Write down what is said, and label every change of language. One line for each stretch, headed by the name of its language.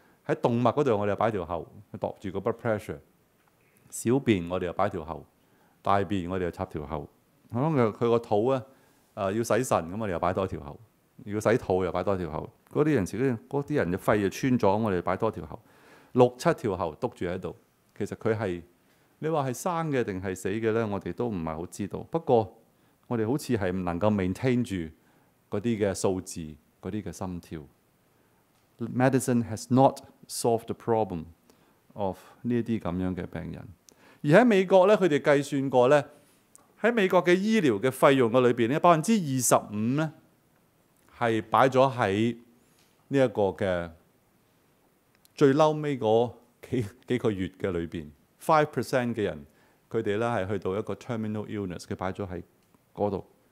Cantonese: 在動脈那裡我們就放一條喉度住個 blood pressure， 小便我們就放一條喉，大便我們就插一條喉，可能他的肚子要洗腎，我們就放多一條喉，要洗肚又放多一條喉，那些人的肺就穿了，我們就放多一條喉，六七條喉堵住在這裡。其實他是你說是生的還是死的呢，我們都不太知道，不過我們好像是不能夠 maintain 住那些數字，那些心跳。
English: Medicine has not solved the problem of
Cantonese: 呢啲咁樣嘅病人。而喺美國咧，佢哋計算過咧，喺美國嘅醫療嘅費用嘅裏邊咧，25%咧係擺咗喺呢一個嘅最嬲尾嗰幾個月嘅裏邊。 5% 嘅人佢哋咧係去到一個 terminal illness， 佢擺咗喺嗰度。